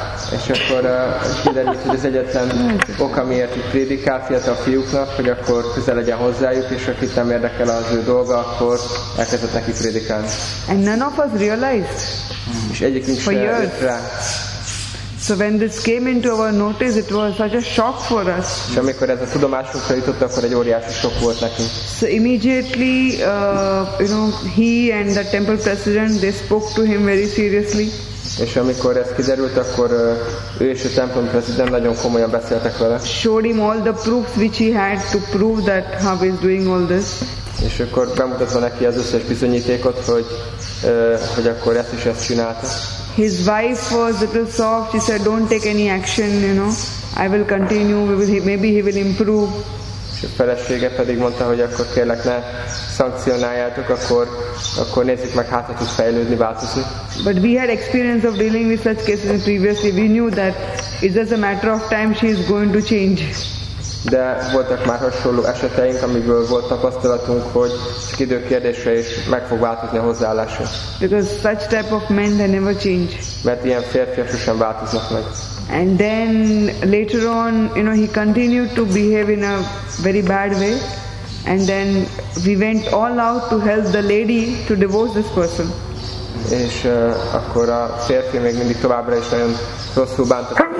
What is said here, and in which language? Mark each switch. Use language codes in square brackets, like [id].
[hu] És akkor kiderült, hogy az egyetlen oka, miért így prédikál fiatal fiúknak, hogy akkor közel legyen hozzájuk, és akit nem érdekel az ő dolga, akkor elkezdett neki prédikálni. [en] And none of us realized. [hu] És egyikünk sem jött rá. [en] So when this came into our notice, it was such a shock for us. [hu] És amikor ez a tudomásunkra jutott, akkor egy óriási sok volt nekünk. [en] So immediately, he and the temple president, they spoke to him very seriously. [hu] És amikor ez kiderült, akkor ő és a templom prezident nagyon komolyan beszéltek vele. [en] Showed him all the proofs which he had to prove that how he's doing all this. [hu] És akkor bemutatva neki az összes bizonyítékot, hogy akkor ezt is ezt csinálta. [en] His wife was a little soft. She said, "Don't take any action. You know, I will continue. Maybe he will improve." [hu] És a felesége pedig mondta, hogy akkor kérlek, ne szankcionáljátok, akkor nézzük meg, hátra tud fejlődni, változni. [en] But we had experience of dealing with such cases previously. We knew that it's just a matter of time she is going to change. [hu] De voltak már hasonló eseteink, amiből volt tapasztalatunk, hogy csak idő kérdése is meg fog változni a hozzáállása. [en] Because such type of men, they never change. [hu] Mert ilyen férfiak sosem változnak meg. [en] And then later on, you know, he continued to behave in a very bad way. And then we went all out to help the lady to divorce this person. [hu] És akkor a férfi még mindig továbbra is nagyon rosszul bántott.